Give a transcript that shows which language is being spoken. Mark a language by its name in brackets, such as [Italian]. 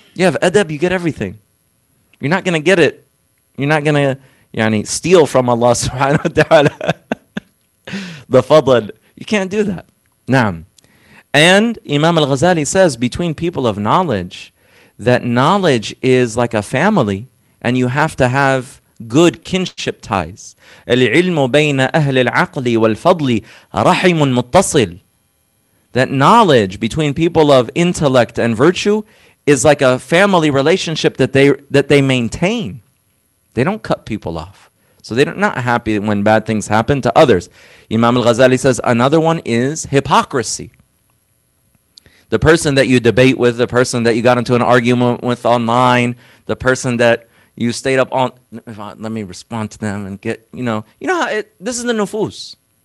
[English] You have adab, you get everything. You're not going to get it. You're not going to steal from Allah subhanahu wa ta'ala the fadl. You can't do that. Naam. And Imam al-Ghazali says, between people of knowledge, that knowledge is like a family and you have to have good kinship ties. [Arabic] العلم بين أهل العقل والفضل رحم متصل. [English] That knowledge between people of intellect and virtue is like a family relationship that they maintain. They don't cut people off. So they're not happy when bad things happen to others. Imam al-Ghazali says another one is hypocrisy. The person that you debate with, the person that you got into an argument with online, the person that you stayed up on, let me respond to them and get, this is the nufus.